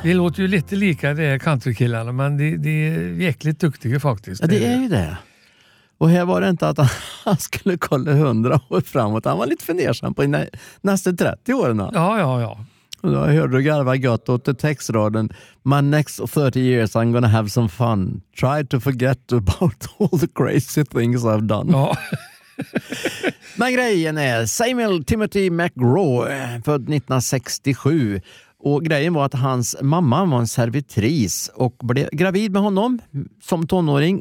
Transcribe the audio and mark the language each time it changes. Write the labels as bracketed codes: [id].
[sv] Det låter ju lite lika det countrykillarna, men det är jäkligt duktiga faktiskt. Ja, det är ju det. Och här var det inte att han skulle kolla 100 år framåt. Han var lite fundersam på nästa 30 åren. Ja, ja, ja. Och då hörde du garva gott åt textraden. [en] My next 30 years I'm gonna have some fun. Try to forget about all the crazy things I've done. [sv] Ja. Men grejen är Samuel Timothy McGraw, född 1967. Och grejen var att hans mamma var en servitris och blev gravid med honom som tonåring.